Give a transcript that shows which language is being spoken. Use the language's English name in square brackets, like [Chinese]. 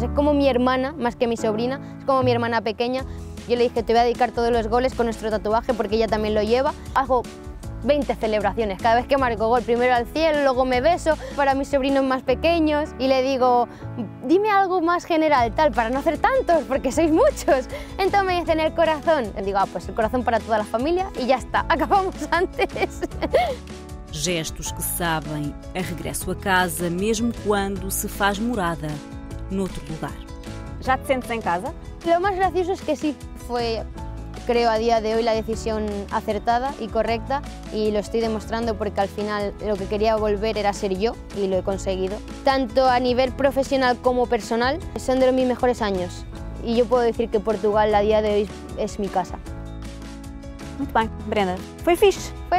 [Spanish] Es como mi hermana, más que mi sobrina, es como mi hermana pequeña. Yo le dije, te voy a dedicar todos los goles con nuestro tatuaje porque ella también lo lleva. Hago 20 celebraciones. Cada vez que marco gol, primero al cielo, luego me beso para mis sobrinos más pequeños y le digo, dime algo más general, tal, para no hacer tantos, porque sois muchos. Entonces me dicen el corazón. Le digo, ah, pues el corazón para toda la familia y ya está, acabamos antes. [Portuguese] Gestos que sabem a regresso a casa, mesmo quando se faz morada noutro lugar. Já te sentes em casa? [Spanish] Lo más gracioso es que sí. Fue, creo, a día de hoy la decisión acertada y correcta y lo estoy demostrando porque al final lo que quería volver era ser yo y lo he conseguido. Tanto a nivel profesional como personal, son de los mis mejores años y yo puedo decir que Portugal a día de hoy es mi casa. [Portuguese] Muito bem, Brenda. Foi fixe?